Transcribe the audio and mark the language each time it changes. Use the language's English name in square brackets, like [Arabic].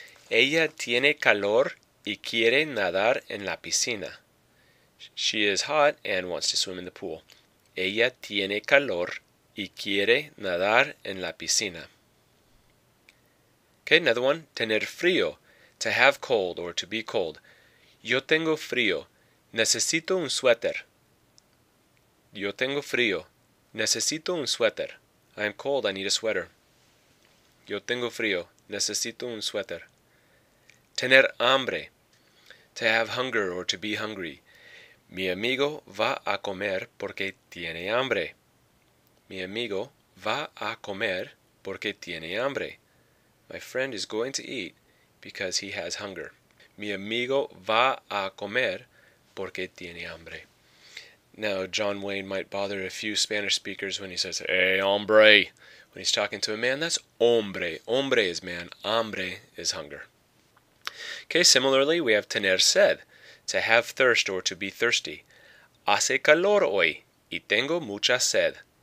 [Spanish] Ella tiene calor y quiere nadar en la piscina. [English] She is hot and wants to swim in the pool. [Spanish] Ella tiene calor y quiere nadar en la piscina. [English] Okay, another one. Tener frío. To have cold or to be cold. [Spanish] Yo tengo frío. Necesito un suéter. Yo tengo frío. Necesito un suéter. [English] I am cold. I need a sweater. [Spanish] Yo tengo frío. Necesito un suéter. Tener hambre. [English] To have hunger or to be hungry. [Spanish] Mi amigo va a comer porque tiene hambre. Mi amigo va a comer porque tiene hambre. [English] My friend is going to eat because he has hunger. [Spanish] Mi amigo va a comer porque tiene hambre. [English] Now, John Wayne might bother a few Spanish speakers when he says, "Hey, hombre!" When he's talking to a man, that's hombre. Hombre is man. Hambre is hunger. Okay, similarly, we have tener sed. To have thirst or to be thirsty. [Spanish] Hace calor hoy y tengo mucha sed.